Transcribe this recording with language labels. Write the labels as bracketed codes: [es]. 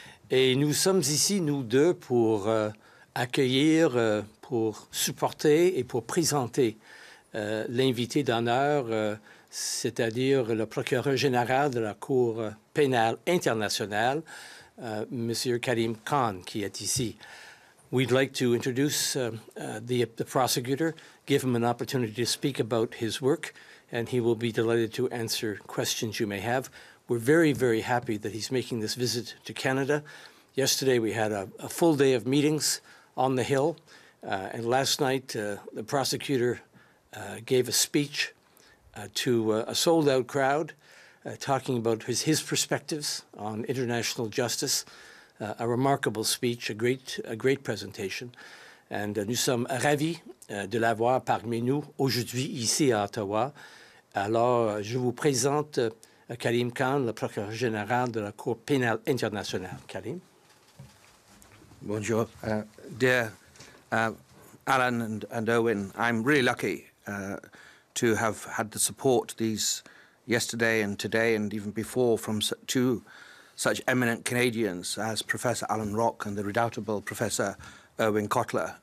[fr] Et nous sommes ici, nous deux, pour accueillir, pour supporter et pour présenter l'invité d'honneur, c'est-à-dire le procureur général de la Cour pénale internationale, Monsieur Karim Khan, qui est ici. [en] We'd like to introduce the prosecutor, give him an opportunity to speak about his work, and he will be delighted to answer questions you may have. We're very, very happy that he's making this visit to Canada. Yesterday we had a full day of meetings on the Hill, and last night the prosecutor gave a speech to a sold-out crowd, talking about his perspectives on international justice. A remarkable speech, a great presentation. And [fr] nous sommes ravis de l'avoir parmi nous aujourd'hui ici à Ottawa. Alors, je vous présente Karim Khan, le procureur général de la Cour pénale internationale. Karim. Bonjour. [en] Dear Allan and Erwin, I'm really lucky to have had the support these yesterday and today and even before from two such eminent Canadians as Professor Allan Rock and the redoubtable Professor Erwin Kotler.